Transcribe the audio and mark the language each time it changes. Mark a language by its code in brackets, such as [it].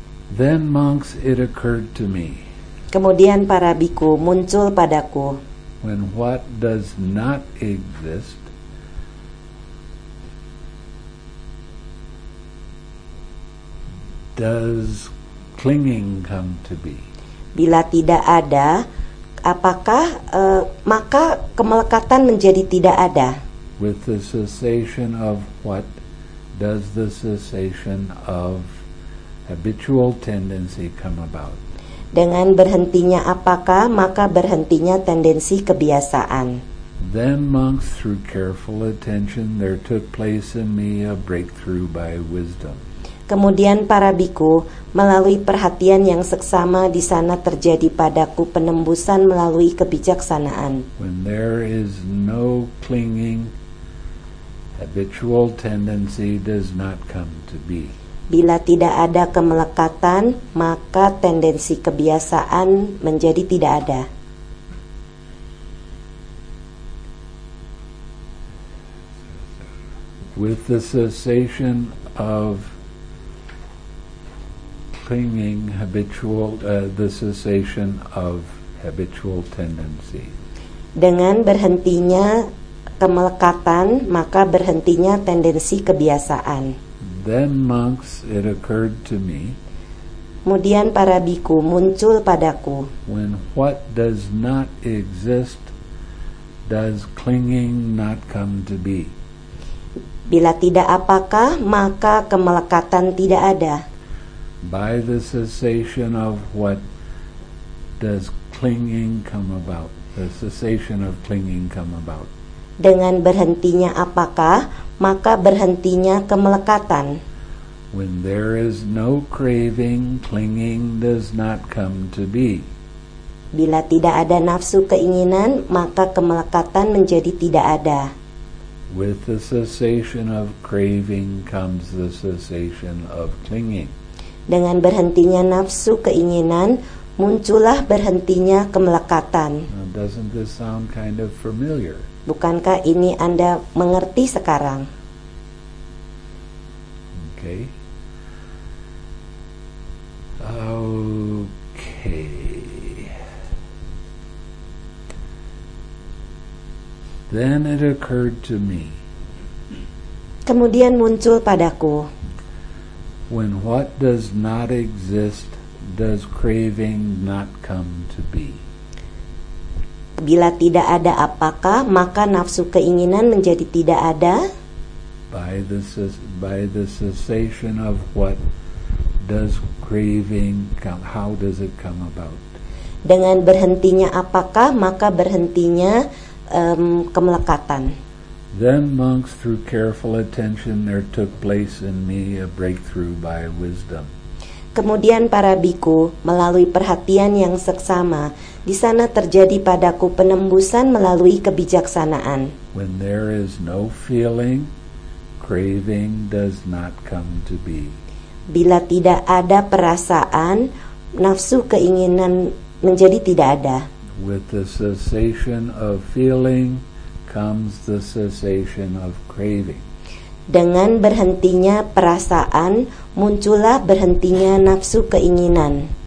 [en] Then monks, it occurred to me. [id] Kemudian para biku muncul padaku. [en] When what does not exist does clinging come to be? [id] Bila tidak ada, apakah maka kemelekatan menjadi tidak ada? [en] With the cessation of what does the cessation of habitual tendency come about? [id] Dengan berhentinya apakah maka berhentinya tendensi kebiasaan? [en] Then monks, through careful attention, there took place in me a breakthrough by wisdom. [id] Kemudian para bhikkhu, melalui perhatian yang seksama di sana terjadi padaku penembusan melalui kebijaksanaan. [en] When there is no clinging, habitual tendency does not come to be. [id] Bila tidak ada kemelekatan, maka tendensi kebiasaan menjadi tidak ada. [en] With the cessation of clinging, the cessation of habitual tendency. [id] Dengan berhentinya kemelekatan, maka berhentinya tendensi kebiasaan. [en] Then monks, it occurred to me. [id] Kemudian para bhikkhu muncul padaku. [en] When what does not exist, does clinging not come to be? [id] Bila tidak apakah, maka kemelekatan tidak ada. [en] By the cessation of what does clinging come about? The cessation of clinging come about. [id] Dengan berhentinya apakah, maka berhentinya kemelekatan. [en] When there is no craving, clinging does not come to be. [id] Bila tidak ada nafsu keinginan, maka kemelekatan menjadi tidak ada. [en] With the cessation of craving comes the cessation of clinging. [id] Dengan berhentinya nafsu keinginan, muncullah berhentinya kemelekatan. [en] Now, doesn't this sound kind of familiar? [id] Bukankah ini Anda mengerti sekarang? [en] Okay. Okay. Then it occurred to me. [id] Kemudian muncul padaku. [en] When what does not exist, does craving not come to be? [id] Bila tidak ada apakah, maka nafsu keinginan menjadi tidak ada? [en] By the cessation of what does craving come, how does it come about? [id] Dengan berhentinya apakah, maka berhentinya kemelekatan. [en] Then monks, through careful attention, there took place in me a breakthrough by wisdom. [id] Kemudian para bhikkhu, melalui perhatian yang seksama, di sana terjadi padaku penembusan melalui kebijaksanaan. [en] When there is no feeling, craving does not come to be. [id] Bila tidak ada perasaan, nafsu keinginan menjadi tidak ada. [en] With the cessation of feeling comes the cessation of craving. [id] Dengan berhentinya perasaan, muncullah berhentinya nafsu keinginan.